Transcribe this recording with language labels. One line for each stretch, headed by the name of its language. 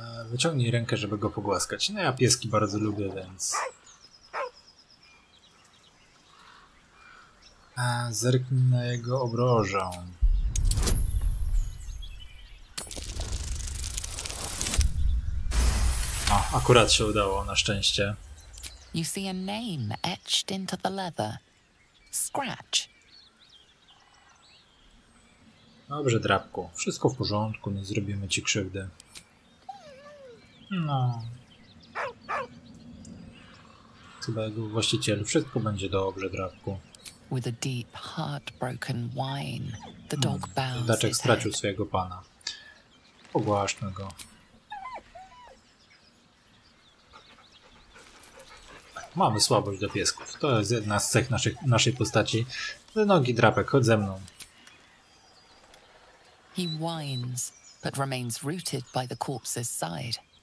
Polish: Wyciągnij rękę, żeby go pogłaskać. No ja pieski bardzo lubię, więc. Zerknij na jego obrożę. O, akurat się udało, na szczęście.
English: You see a name etched into the leather. Scratch.
Polish: Dobrze, drapku. Wszystko w porządku, nie zrobimy ci krzywdy. No. Chyba jego właściciel. Wszystko będzie dobrze, drapku.
English: With a deep, heartbroken whine, the dog bows.
Polish: Daczek stracił swojego pana. Pogłaszmy go. Mamy słabość do piesków. To jest jedna z cech naszej postaci. Do nogi, drapek, chodź ze mną.
English: He whines, but remains rooted by the corpse's side.